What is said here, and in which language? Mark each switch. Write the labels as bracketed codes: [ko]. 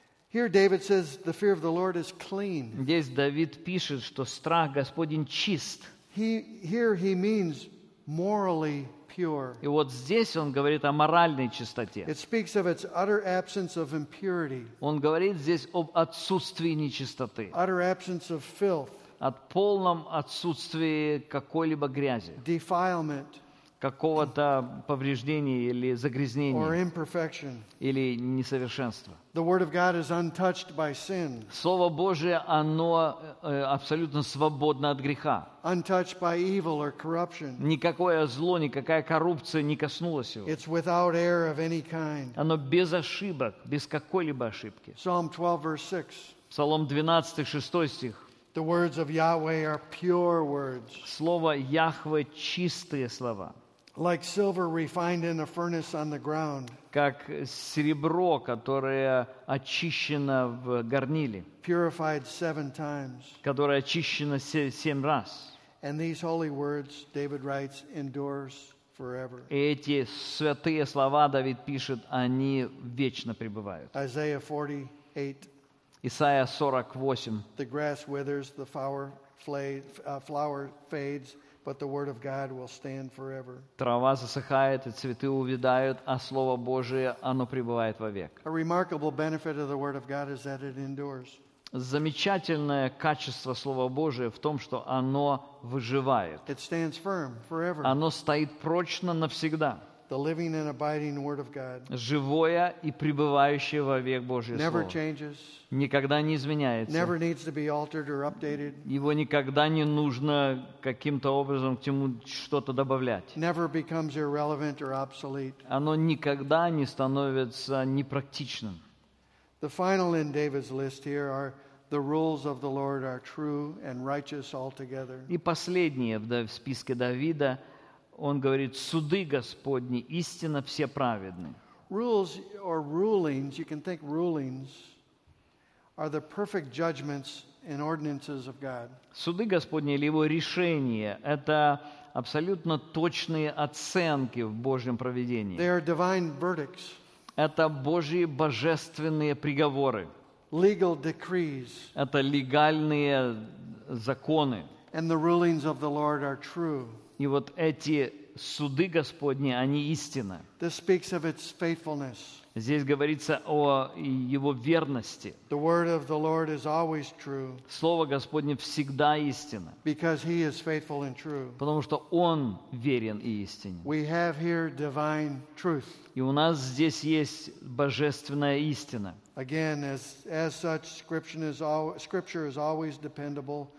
[en] Here David says the fear of the Lord is clean. [ru] Здесь Давид пишет, что страх Господень чист. [en] Here he means morally pure. [ru] И вот здесь он говорит о моральной чистоте. [en] It speaks of its utter absence of impurity. [ru] Он говорит здесь об отсутствии нечистоты. [en] Utter absence of filth. [ru] От полном отсутствии какой-либо грязи. [en] Defilement. [ru] Какого-то повреждения или загрязнения. [en] Or imperfection. [ru] Или несовершенства. [en] The word of God is untouched by sin. [ru] Слово Божие, оно абсолютно свободно от греха. [en] Untouched by evil or corruption. [ru] Никакое зло, никакая коррупция не коснулась его. [en] It's without error of any kind. [ru] Оно без ошибок, без какой-либо ошибки. [en] Psalm 12, verse 6. [ru] Псалом 12, 6 стих. [en] The words of Yahweh are pure words. [ru] Слово Яхве чистые слова. [en] Like silver refined in a furnace on the ground. [ru] Как серебро, которое очищено в горниле. [en] Purified seven times. [ru] Которое очищено семь раз. [en] And these holy words, David writes, endures forever. [ru] Эти святые слова, Давид пишет, они вечно пребывают. [en] Isaiah 48. [ru] Исайя 48. [en] The grass withers, the flower fades, but the word of God will stand forever. [ru] Трава засыхает, и цветы увядают, а слово Божие оно пребывает вовек. [en] A remarkable benefit of the word of God is that it endures. [ru] Замечательное качество слова Божие в том, что оно выживает. [en] It stands firm forever. [ru] Оно стоит прочно навсегда. [en] The living and abiding Word of God. [ru] Живое и пребывающее вовек Божье Слово. [en] Never changes. [ru] Никогда не изменяется. [en] Never needs to be altered or updated. [ru] Его никогда не нужно каким-то образом к нему что-то добавлять. [en] Never becomes irrelevant or obsolete. [ru] Оно никогда не становится непрактичным. [en] The final in David's list here are the rules of the Lord are true and righteous altogether. [ru] И последнее в списке Давида, он говорит: суды Господни истинно все праведны. [en] Rules or rulings, you can think rulings, are the perfect judgments and ordinances of God. [ru] Суды Господни или его решения – это абсолютно точные оценки в Божьем провидении. [en] They are divine verdicts. [ru] Это Божьи божественные приговоры. [en] Legal decrees. [ru] Это легальные законы. [en] And the rulings of the Lord are true. [ru] И вот эти суды Господни, они истинны. [en] This speaks of its faithfulness. [ru] Здесь говорится о его верности. [en] The word of the Lord is always true. [ru] Слово Господне всегда истинно. [en] Because he is faithful and true. [ru] Потому что он верен и истинен. [en] We have here divine truth. [ru] И у нас здесь есть божественная истина. [en] Again, as such, scripture is always dependable.